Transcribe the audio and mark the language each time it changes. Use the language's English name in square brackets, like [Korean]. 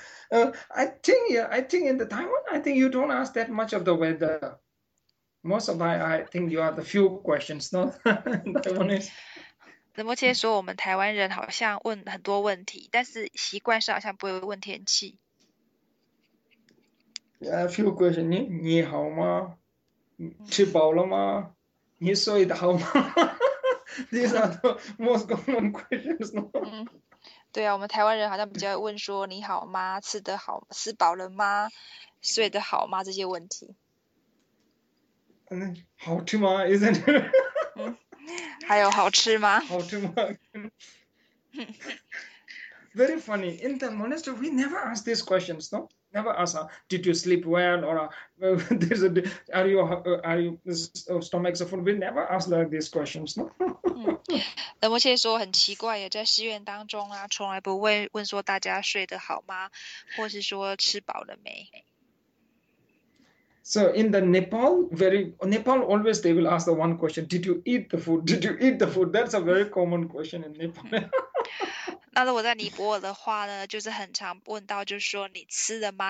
[English] I think in the Taiwan, I think you don't ask that much of the weather. Most of my, I think you have the few questions, no? Taiwan is. [Chinese] 仁波切说，我们台湾人好像问很多问题，但是习惯上好像不会问天气。 [English] Yeah, a few questions. 你好吗？吃饱了吗？你睡得好吗？These are the most common questions, no? [Chinese] 对啊，我们台湾人好像比较问说你好吗、吃得好、吃饱了吗、睡得好吗这些问题。嗯，好吃吗？ Isn't it？还有好吃吗？ [English] 好吃吗？ Very funny. In the monastery, we never ask these questions, no? Never ask, did you sleep well? Or are you stomach full? We never ask like these questions, no? [Chinese] 仁波切说很奇怪耶，在寺院当中啊，从来不会问说大家睡得好吗，或是说吃饱了没。 [English] So in the Nepal always they will ask the one question, did you eat the food? Did you eat the food? That's a very common question in Nepal. [Chinese] 那如果在尼泊尔的话呢，就是很常问到，就是说你吃了吗？